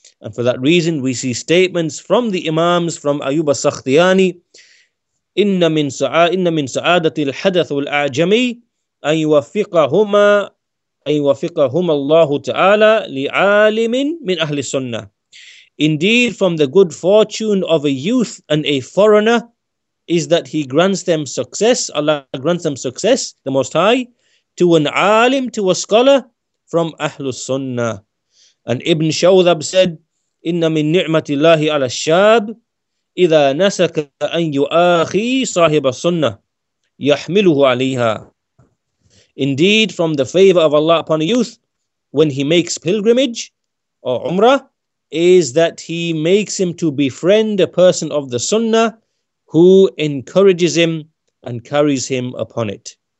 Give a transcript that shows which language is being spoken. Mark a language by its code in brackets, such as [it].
[en] And for that reason, we see statements from the Imams, from Ayyub al-Sakhtiyani, [ar] إِنَّ مِن سَعَادَةِ الْحَدَثُ الْأَعْجَمِي أَن يُوَفِقَهُمَا اللَّهُ تَعَالَى لِعَالِمٍ مِنْ أَهْلِ السُنَّةِ. [en] Indeed, from the good fortune of a youth and a foreigner is that he grants them success, Allah grants them success, the Most High, to an alim, to a scholar from Ahlu Sunnah. And Ibn Shawdhab said, [ar] إِنَّ مِن نِعْمَةِ اللَّهِ عَلَى الشَّابِ إِذَا نَسَكَ أَنْ يُؤَخِي صَاحِبَ السُنَّةِ يَحْمِلُهُ عَلَيْهَا. [en] Indeed, from the favor of Allah upon a youth when he makes pilgrimage or umrah is that he makes him to befriend a person of the sunnah who encourages him and carries him upon it.